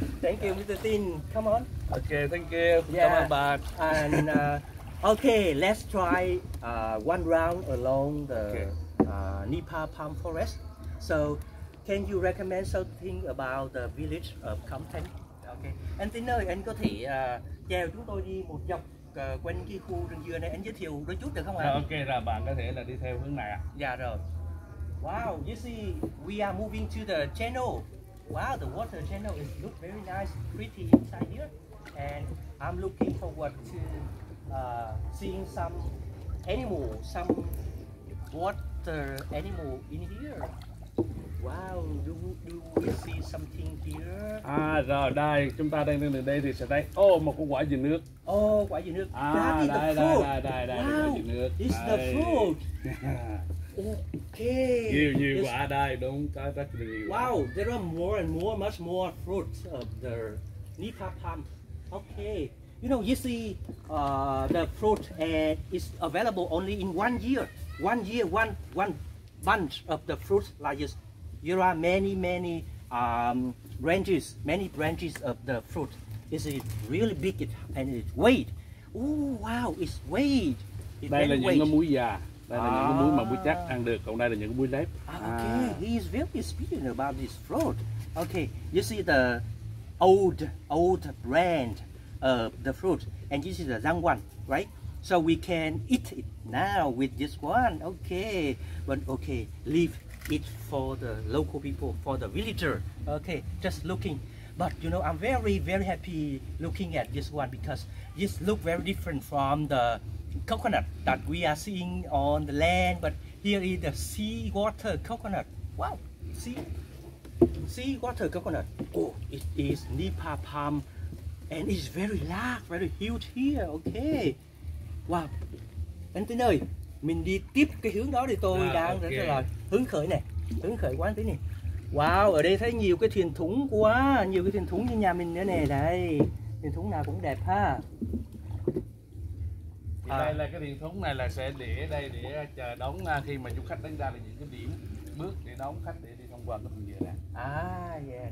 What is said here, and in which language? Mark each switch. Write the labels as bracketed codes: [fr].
[en] Thank you, Mr. Tin. Come on. Okay, thank you. Yeah. Come on, bud. And Okay, let's try one round along the Nipa Palm Forest. So, can you recommend something about the village of Khom Thanh? Okay. [vi] Anh Tín ơi, anh có thể chèo chúng tôi đi một dọc quanh cái khu rừng dừa này, anh giới thiệu đôi chút được không ạ? Okay, là bạn có thể là đi theo hướng này ạ. Dạ rồi. [en] Wow, you see, we are moving to the channel. Wow, the water channel is look very nice, pretty inside here. And I'm looking forward to seeing some animal, some water animal in here. Wow, do we see something here? [vi] Rồi đây, chúng ta đang đứng ở đây thì sẽ thấy một quả dừa nước. Oh, quả dừa nước. Đây, quả dừa nước. [en] It's the fruit. Okay. [vi] Nhiều quả đây, đúng, có rất nhiều. [en] Wow, there are more and more, much more fruits of the Nipa Palm. Okay. You know, you see the fruit is available only in 1 year. 1 year, one bunch of the fruit like this. There are many branches, many branches of the fruit. Is it really big and it weight? Oh, wow, it's weight. [vi] Đây là những cái muối già. Đây là những cái muối mà muối chắc ăn được, còn đây là những cái muối nếp. [en] Okay, he is very experienced about this fruit. Okay, you see the old brand of the fruit, and this is the young one, right? So we can eat it now with this one. Okay, but okay, leave it for the local people, for the villager. Okay, just looking. But you know, I'm very, very happy looking at this one because this look very different from the coconut that we are seeing on the land, but here is the seawater coconut. Wow, see? Seawater coconut. Oh, it is Nipa Palm and it's very large, very huge here. Okay. Wow. [vi] Anh Tín ơi, mình đi tiếp cái hướng đó thì tôi đang rất là hứng khởi này. Hứng khởi quá anh Tín này. Wow, ở đây thấy nhiều cái thuyền thúng quá, nhiều cái thuyền thúng như nhà mình nữa nè. Đây, thuyền thúng nào cũng đẹp ha. Thì đây là cái thuyền thúng này là sẽ để đây để chờ đón khi mà du khách đến ra, là những cái điểm bước để đón khách để đi tham quan cái thuyền dừa này.